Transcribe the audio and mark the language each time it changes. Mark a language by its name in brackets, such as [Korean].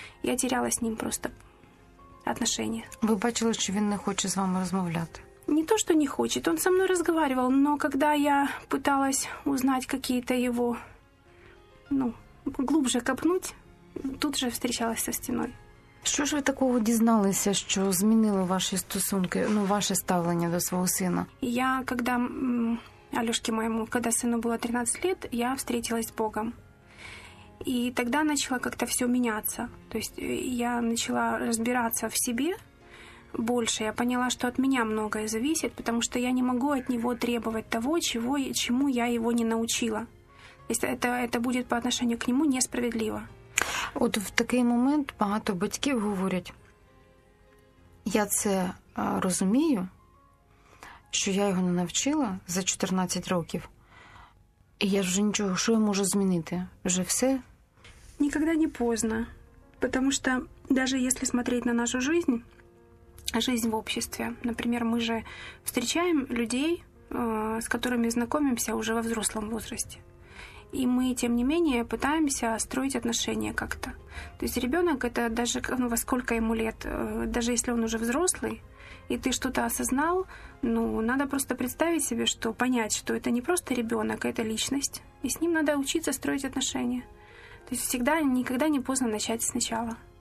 [Russian] Я теряла с ним просто отношения. Вы бачили, что он не хочет с вами разговаривать? Не то, что не хочет. Он со мной разговаривал, но когда я пыталась узнать какие-то его, глубже копнуть, тут же встречалась со стеной. [Ukrainian] Що ж ви такого дізналися, що змінило ваші стосунки, ваше ставлення до свого сина? [Russian] Я, когда Алёшке моему, когда сыну было 13 лет, я встретилась с Богом. И тогда начало как-то всё меняться. То есть я начала разбираться в себе больше. Я поняла, что от меня многое зависит, потому что я не могу от него требовать того, чему я его не научила. То есть это будет по отношению к нему несправедливо. [Ukrainian] От в такий момент багато батьків говорять, я це розумію, що я його не навчила за 14 років, і я вже нічого, що я можу змінити? Вже все? Ніколи не пізно, тому що навіть якщо дивитися на нашу життя в обществі, наприклад, ми ж зустрічаємо людей, з якими знайомимося вже [Russian] во взрослому возрасті. И мы, тем не менее, пытаемся строить отношения как-то. То есть ребенок, это даже во сколько ему лет, даже если он уже взрослый, и ты что-то осознал, надо просто представить себе, что понять, что это не просто ребенок, а это личность. И с ним надо учиться строить отношения. То есть всегда, никогда не поздно начать сначала.